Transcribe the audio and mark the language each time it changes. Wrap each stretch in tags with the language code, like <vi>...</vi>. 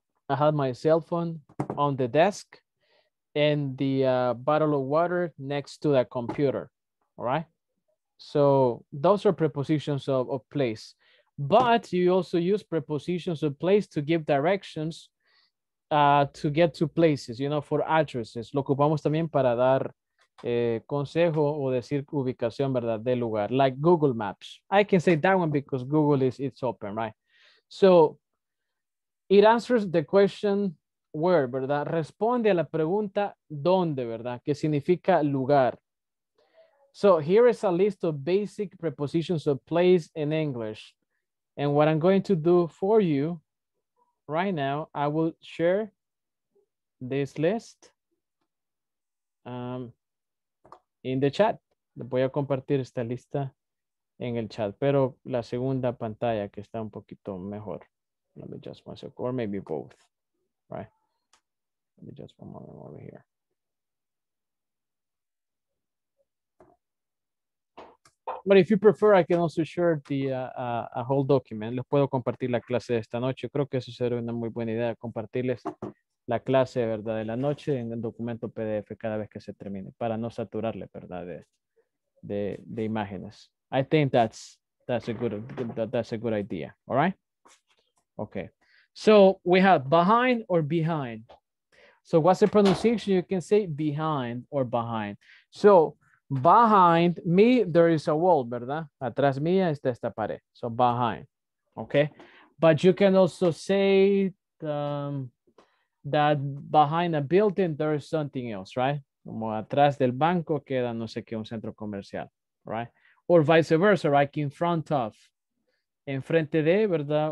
<en>I have my cell phone on the desk. And the bottle of water next to the computer, all right? So those are prepositions of place. But you also use prepositions of place to give directions to get to places, you know, for addresses.</en> <es>Lo ocupamos también para dar consejo o decir ubicación, ¿verdad? De lugar,</es> <en>like Google Maps. I can say that one because Google it's open, right? So it answers the question, where,</en> <es>¿verdad? Responde a la pregunta ¿dónde, verdad? Que significa lugar.</es> <en>So here is a list of basic prepositions of place in English. And what I'm going to do for you right now, I will share this list in the chat.</en> <es>Voy a compartir esta lista en el chat, pero la segunda pantalla que está un poquito mejor.</es> <en>Let me just one second, or maybe both, right? Let me just one moment over here. But if you prefer, I can also share the a whole document.</en> <es>Les puedo compartir la clase de esta noche. Creo que eso sería una muy buena idea, compartirles la clase, ¿verdad? De la noche en el documento PDF cada vez que se termine para no saturarle, ¿verdad? De imágenes.</es> <en>I think that's a good idea. All right? Okay. So we have behind or behind. So what's the pronunciation? You can say behind or behind. So behind me, there is a wall,</en> <es>¿verdad? Atrás mía está esta pared.</es> <en>So behind, okay? But you can also say that behind a building, there is something else, right?</en> <es>Como atrás del banco queda no sé qué, un centro comercial,</es> <en>right? or vice versa, like in front of,</en> <es>en frente de, ¿verdad?</es>